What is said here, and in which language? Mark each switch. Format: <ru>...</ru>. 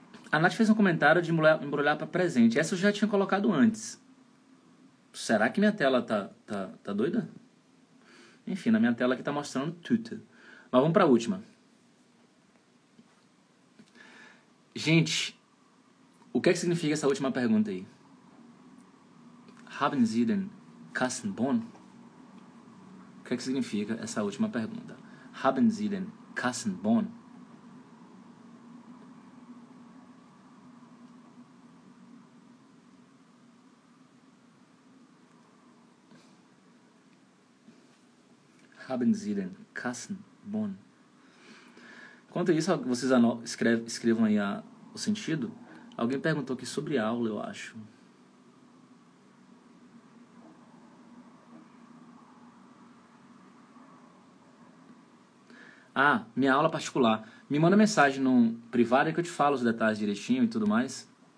<pt>A Nath fez um comentário de embrulhar para presente. Essa eu já tinha colocado antes. Será que minha tela tá doida? Enfim, na minha tela aqui tá mostrando tudo. Mas vamos para a última. Gente, o que é que significa essa última pergunta aí?</pt> <de>Haben Sie denn Kassenbon?</de> <pt>O que é que significa essa última pergunta?</pt> <de>Haben Sie denn Kassenbon? Haben Sie denn Kassenbon?</de> <pt>Enquanto isso, vocês escrevam aí o sentido. Alguém perguntou aqui sobre aula, eu acho. Ah, minha aula particular. Me manda mensagem no privado que eu te falo os detalhes direitinho e tudo mais.</pt>